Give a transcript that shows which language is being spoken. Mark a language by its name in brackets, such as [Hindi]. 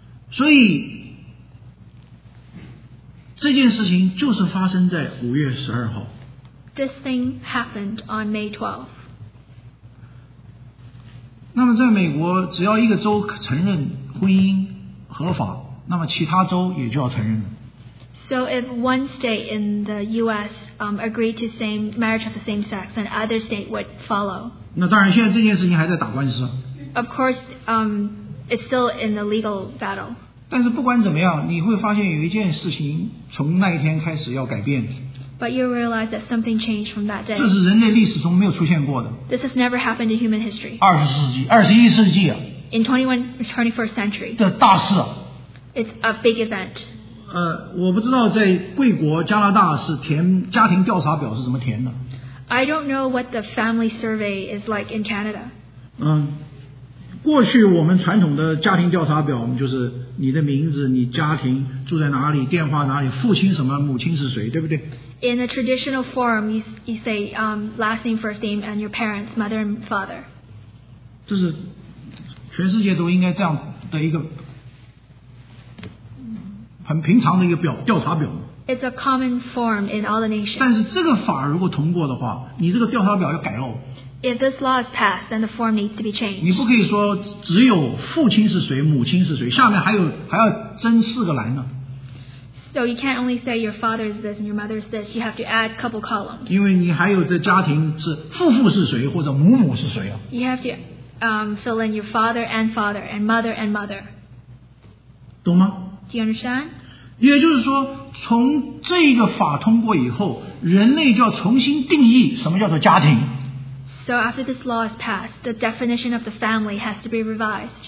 [Chinese] 所以这件事情就是发生在五月十二号。 [English] This thing happened on May 12th. [Chinese] 那么在美国，只要一个州承认婚姻合法，那么其他州也就要承认了。 [English] So if one state in the U.S. Agreed to same marriage of the same sex, then other state would follow. [Chinese] 那当然，现在这件事情还在打官司。 [English] Of course, it's still in the legal battle. [Chinese] 但是不管怎么样，你会发现有一件事情从那一天开始要改变。 [English] But you realize that something changed from that day. [Chinese] 这是人类历史中没有出现过的。 [English] This has never happened in human history. 21st century 啊。 In 21st century. [Chinese] 这大事啊。 [English] It's a big event. [Chinese] 我不知道在贵国加拿大是填家庭调查表是怎么填的。 [English] I don't know what the family survey is like in Canada. [Chinese] 过去我们传统的家庭调查表，我们就是你的名字、你家庭住在哪里、电话哪里、父亲什么、母亲是谁，对不对 [English] ？In a traditional form, you say last name, first name, and your parents, mother and father. [Chinese] 这是全世界都应该这样的一个很平常的一个表调查表。 [English] It's a common form in all the nations. [Chinese] 但是这个法如果通过的话，你这个调查表要改哦。 [English] If this law is passed, then the form needs to be changed. [Chinese] 你不可以说只有父亲是谁，母亲是谁，下面还要增四个栏呢。 [English] So you can't only say your father is this and your mother is this. You have to add a couple columns. [Chinese] 因为你还有这家庭是父父是谁或者母母是谁啊。 [English] You have to fill in your father and mother and mother. [Chinese] 懂吗 [English] ？Do you understand? [Chinese] 也就是说，从这个法通过以后，人类就要重新定义什么叫做家庭。 [English] So after this law is passed, the definition of the family has to be revised.